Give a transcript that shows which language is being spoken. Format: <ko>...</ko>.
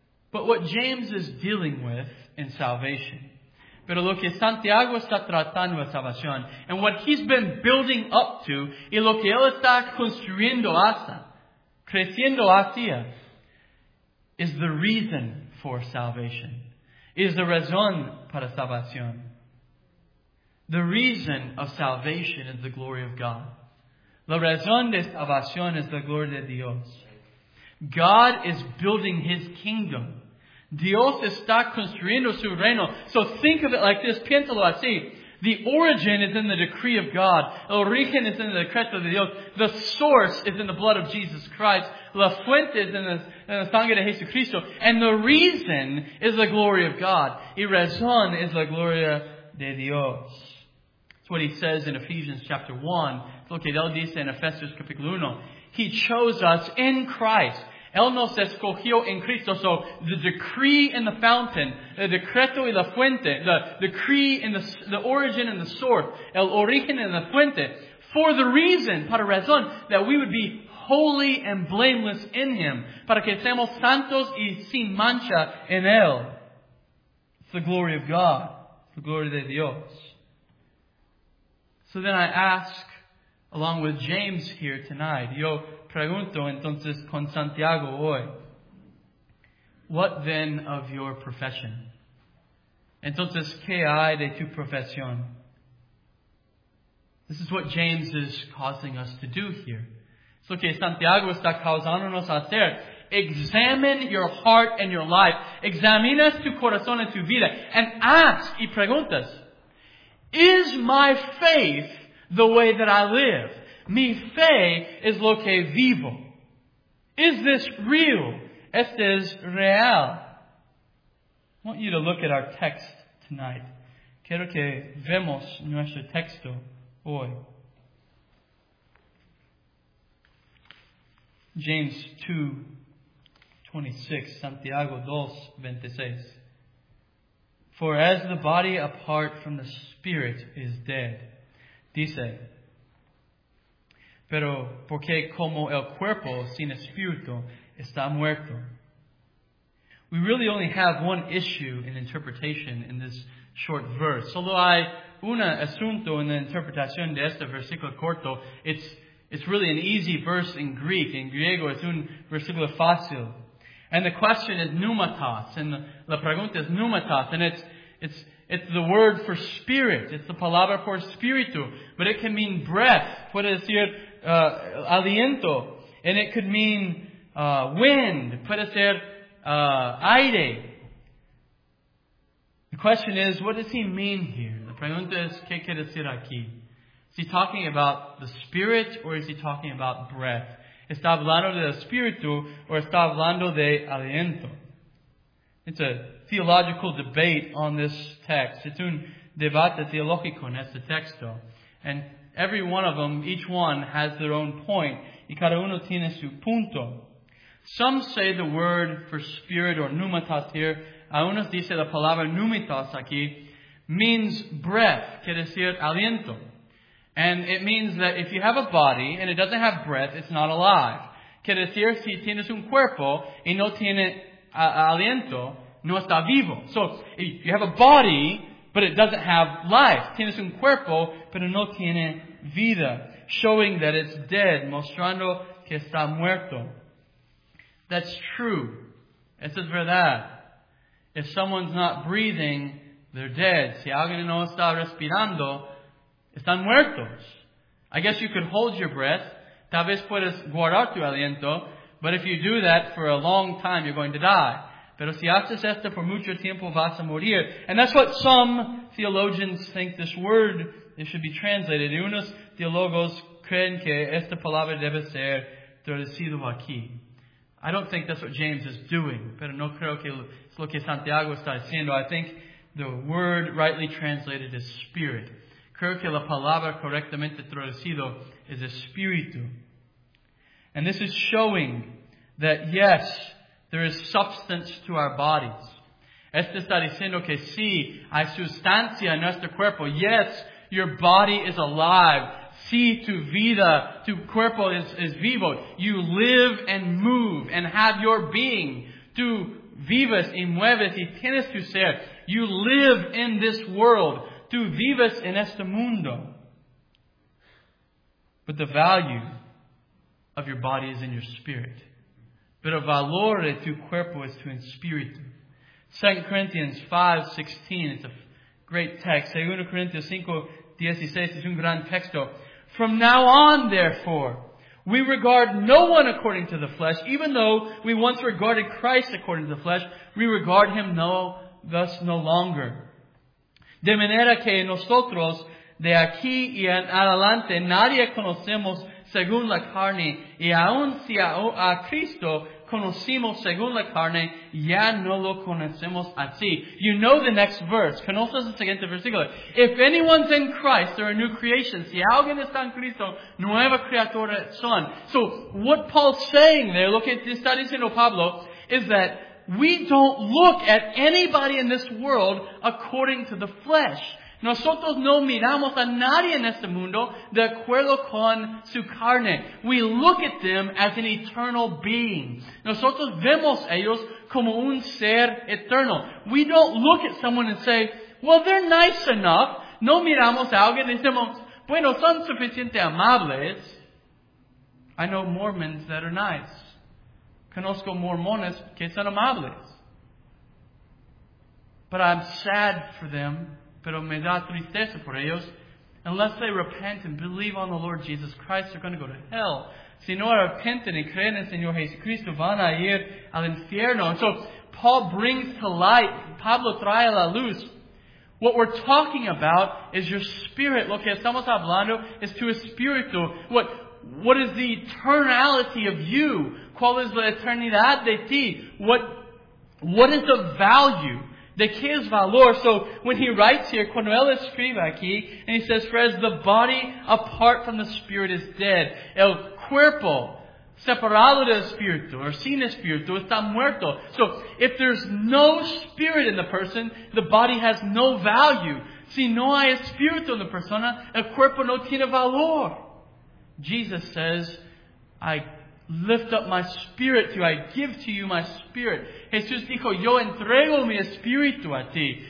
<en>But what James is dealing with in salvation,</en> <es>pero lo que Santiago está tratando de salvación,</es> <en>and what he's been building up to,</en> <es>y lo que él está construyendo hasta, creciendo hacia,</es> <en>is the reason for salvation, is the</en> <es>razón para salvación.</es> <en>The reason of salvation is the glory of God.</en> <es>La razón de salvación es la gloria de Dios.</es> <en>God is building his kingdom.</en> <es>Dios está construyendo su reino.</es> <en>So think of it like this.</en> <es>Piénsalo así.</es> <en>The origin is in the decree of God.</en> <es>El origen es en el decreto de Dios.</es> <en>The source is in the blood of Jesus Christ.</en> <es>La fuente es en la sangre de Jesucristo.</es> <en>And the reason is the glory of God.</en> <es>Y razón es la gloria de Dios.</es> <en>That's what he says in Ephesians chapter 1.</en> <es>Es lo que él dice en Efesios capítulo 1.</es> <en>He chose us in Christ.</en> <es>Él nos escogió en Cristo.</es> <en>So the decree and the fountain, the</en> <es>decreto y la fuente,</es> <en>the decree and the origin and the source,</en> <es>el origen</es> <en>and the fuente, for the reason,</en> <es>para razón,</es> <en>that we would be holy and blameless in Him,</en> <es>para que seamos santos y sin mancha en Él.</es> <en>It's the glory of God, the glory</en> <es>de Dios.</es> <en>So then I ask, along with James here tonight,</en> <es>yo pregunto entonces con Santiago hoy,</es> <en>what then of your profession?</en> <es>Entonces, ¿qué hay de tu profesión?</es> <en>This is what James is causing us to do here.</en> <es>Es lo que Santiago está causándonos a hacer.</es> <en>Examine your heart and your life.</en> <es>Examinas tu corazón y tu vida.</es> <en>And ask</en> <es>y preguntas,</es> <en>is my faith the way that I live?</en> <es>Mi fe es lo que vivo.</es> <en>Is this real?</en> <es>Este es real.</es> <en>I want you to look at our text tonight.</en> <es>Quiero que vemos nuestro texto hoy.</es> <en>James 2:26, Santiago 2:26. For as the body apart from the spirit is dead,</en> <es>dice, pero porque como el cuerpo sin espíritu está muerto.</es> <en>We really only have one issue in interpretation in this short verse.</en> <es>Solo hay un asunto en la interpretación de este versículo corto.</es> <en>It's really an easy verse in Greek.</en> <es>En griego es un versículo fácil.</es> <en>And the question is pneumatos. And</en> <es>la pregunta es</es> <en>pneumatos. And it's the word for spirit. It's the palabra for espíritu. But it can mean breath.</en> <es>Puede decir aliento,</es> <en>and it could mean wind,</en> <es>puede ser aire.</es> <en>The question is, what does he mean here?</en> <es>La pregunta es, ¿qué quiere decir aquí?</es> <en>Is he talking about the spirit, or is he talking about breath?</en> <es>¿Está hablando de espíritu, or está hablando de aliento?</es> <en>It's a theological debate on this text. It's</en> <es>un debate teológico en este texto.</es> <en>And every one of them, each one, has their own point.</en> <es>Y cada uno tiene su punto.</es> <en>Some say the word for spirit or pneumatos here,</en> <es>a unos dice la palabra pneumatos aquí,</es> <en>means breath,</en> <es>quiere decir aliento.</es> <en>And it means that if you have a body and it doesn't have breath, it's not alive.</en> <es>Quiere decir, si tienes un cuerpo y no tiene aliento, no está vivo.</es> <en>So, if you have a body, but it doesn't have life.</en> <es>Tienes un cuerpo, pero no tiene vida,</es> <en>showing that it's dead,</en> <es>mostrando que está muerto.</es> <en>That's true.</en> <es>Eso es verdad.</es> <en>If someone's not breathing, they're dead.</en> <es>Si alguien no está respirando, están muertos.</es> <en>I guess you could hold your breath.</en> <es>Tal vez puedes guardar tu aliento.</es> <en>But if you do that for a long time, you're going to die.</en> <es>Pero si haces esto por mucho tiempo, vas a morir.</es> <en>And that's what some theologians think this word it should be translated.</en> <es>Y unos teólogos creen que esta palabra debe ser traducido aquí.</es> <en>I don't think that's what James is doing.</en> <es>Pero no creo que es lo que Santiago está haciendo.</es> <en>I think the word rightly translated is spirit.</en> <es>Creo que la palabra correctamente traducido es espíritu.</es> <en>And this is showing that yes, there is substance to our bodies.</en> <es>Este está diciendo que sí, hay sustancia en nuestro cuerpo.</es> <en>Yes, your body is alive.</en> <es>Sí, tu vida, tu cuerpo es vivo.</es> <en>You live and move and have your being.</en> <es>Tú vives y mueves y tienes tu ser.</es> <en>You live in this world.</en> <es>Tú vives en este mundo.</es> <en>But the value of your body is in your spirit.</en> <es>Pero valor de tu cuerpo es tu espíritu.</es> <en>2 Corinthians 5:16, it's a great text. 2 Corinthians 5:16 es un gran texto. From now on, therefore, we regard no one according to the flesh, even though we once regarded Christ according to the flesh, we regard him no longer.</en> <es>De manera que nosotros, de aquí y en adelante, nadie conocemos según la carne, y aun si a Cristo conocimos según la carne, ya no lo conocemos así.</es> <en>You know the next verse.</en> <es>Conoces el siguiente versículo.</es> <en>If anyone's in Christ, they're a new creation.</en> <es>Si alguien está en Cristo, nueva criatura son.</es> <en>So, what Paul's saying there,</en> <es>lo que está diciendo Pablo,</es> <en>is that we don't look at anybody in this world according to the flesh.</en> <es>Nosotros no miramos a nadie en este mundo de acuerdo con su carne.</es> <en>We look at them as an eternal being.</en> <es>Nosotros vemos a ellos como un ser eterno.</es> <en>We don't look at someone and say, well, they're nice enough.</en> <es>No miramos a alguien y decimos, bueno, son suficientemente amables.</es> <en>I know Mormons that are nice.</en> <es>Conozco mormones que son amables.</es> <en>But I'm sad for them.</en> <es>Pero me da tristeza por ellos.</es> <en>Unless they repent and believe on the Lord Jesus Christ, they're going to go to hell.</en> <es>Si no arrepenten y creen en Señor Jesucristo, van a ir al infierno.</es> <en>And so Paul brings to light,</en> <es>Pablo trae a la luz.</es> <en>What we're talking about is your spirit.</en> <es>Lo que estamos hablando es tu espíritu.</es> <en>What is the eternality of you?</en> <es>¿Cuál es la eternidad de ti?</es> <en>What is the value?</en> <es>¿De qué es valor?</es> <en>So when he writes here,</en> <es>cuando él escribe aquí,</es> <en>and he says, for as the body apart from the spirit is dead,</en> <es>el cuerpo separado del espíritu, or sin espíritu, está muerto.</es> <en>So if there's no spirit in the person, the body has no value.</en> <es>Si no hay espíritu en la persona, el cuerpo no tiene valor.</es> <en>Jesus says, I lift up my spirit to you. I give to you my spirit.</en> <es>Jesús dijo, yo entrego mi espíritu a ti.</es>